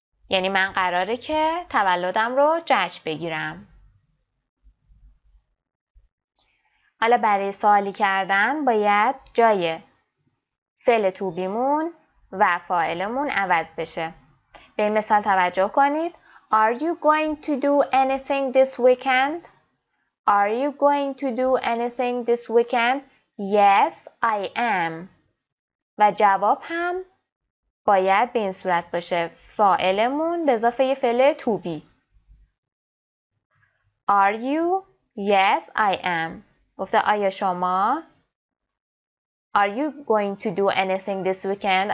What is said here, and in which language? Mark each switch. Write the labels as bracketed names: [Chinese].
[Persian] یعنی من قراره که تولدم رو جشن بگیرم. حالا برای سوالی کردن باید جای فعل تو بیمون و فاعلمون عوض بشه. به این مثال توجه کنید. [English] Are you going to do anything this weekend? Are you going to do anything this weekend? Yes, I am. [Persian] و جواب هم باید به این صورت باشه. فاعلمون به اضافه یه فعل to be. [English] Are you? Yes, I am. [Persian] گفته آیا شما؟ [English] Are you going to do anything this weekend?